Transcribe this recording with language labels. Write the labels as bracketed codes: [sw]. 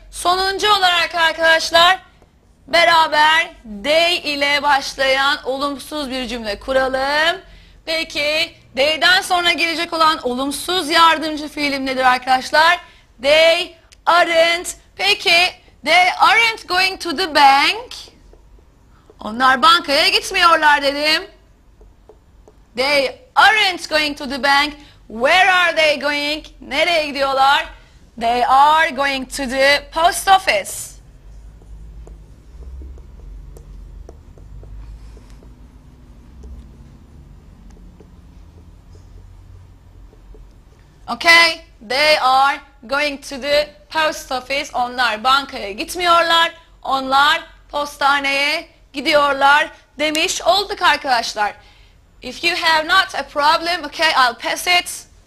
[tr] Sonuncu olarak arkadaşlar, beraber they ile başlayan olumsuz bir cümle kuralım. Peki, they'den sonra gelecek olan olumsuz yardımcı fiilim nedir arkadaşlar? [en] They aren't. Peki, they aren't going to the bank. [tr] Onlar bankaya gitmiyorlar dedim. [en] They aren't going to the bank. Where are they going? [tr] Nereye gidiyorlar? [en] They are going to the post office. Okay, they are going to the post office. [tr] Onlar bankaya gitmiyorlar. Onlar postaneye gidiyorlar demiş olduk arkadaşlar. [en] If you have not a problem, okay, I'll pass it.